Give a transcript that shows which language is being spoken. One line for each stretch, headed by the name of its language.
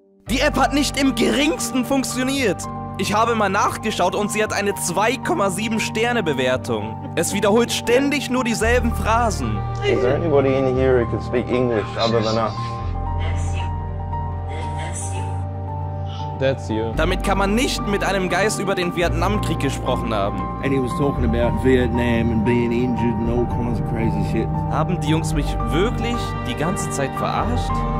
German: Die App hat nicht im geringsten funktioniert. Ich habe mal nachgeschaut und sie hat eine 2,7-Sterne-Bewertung. Es wiederholt ständig nur dieselben Phrasen.
English: Is there anybody in here who can speak English other than us? That's you.
German: Damit kann man nicht mit einem Geist über den Vietnamkrieg gesprochen haben.
English: And he was talking about Vietnam and being injured and all kinds of crazy shit.
German: Haben die Jungs mich wirklich die ganze Zeit verarscht?